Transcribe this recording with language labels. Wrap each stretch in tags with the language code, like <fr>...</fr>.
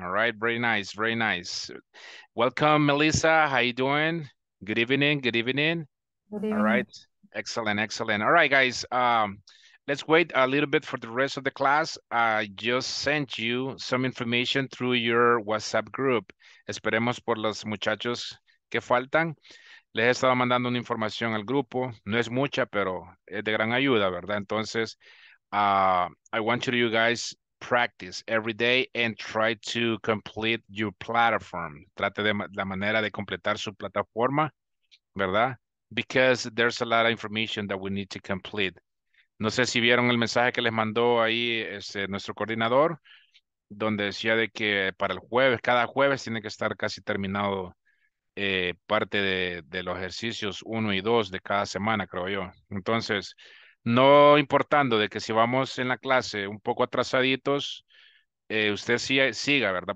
<en>All right, very nice, very nice. Welcome, Melissa. How you doing? Good evening, good evening. Good All right, evening. excellent, excellent. All right, guys. Let's wait a little bit for the rest of the class. I just sent you some information through your WhatsApp group.</en> <es>Esperemos por los muchachos que faltan. Les he estado mandando una información al grupo. No es mucha, pero es de gran ayuda, ¿verdad?</es> <en>Entonces, I want you guys practice every day and try to complete your platform.</en> <es>Trate de la manera de completar su plataforma, ¿verdad?</es> <en>Because there's a lot of information that we need to complete.</en> <es>No sé si vieron el mensaje que les mandó ahí nuestro coordinador, donde decía de que para el jueves, cada jueves tiene que estar casi terminado parte de los ejercicios 1 y 2 de cada semana, creo yo. Entonces, no importando de que si vamos en la clase un poco atrasaditos, usted siga, ¿verdad?</es>